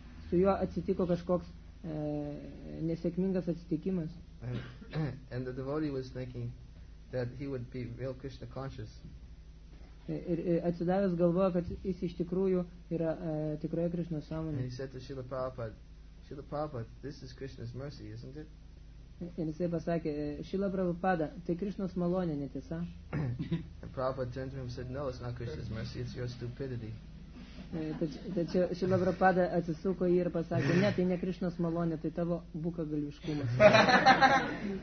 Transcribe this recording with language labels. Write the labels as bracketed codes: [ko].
[lt] Su juo atsitiko kažkoks nesėkmingas atsitikimas. [en] And the devotee was thinking that he would be real Krishna conscious. [lt] Ir atsidavęs galvojo, kad jis iš tikrųjų yra tikroje Krishna sąmonė. [en] And he said to Srila Prabhupada, Srila Prabhupada, this is Krishna's mercy, isn't it? [lt] Ir jisai pasakė, Šila Prabhupada, tai Krišnos malonė, netiesa. [en] And Prabhupada turned to him and said, no, it's not Krishna's mercy, it's your stupidity. [lt] Tačiau Šila Prabhupada atsisuko į jį ir pasakė, ne, tai ne Krišnos malonė, tai tavo bukagalviškumas.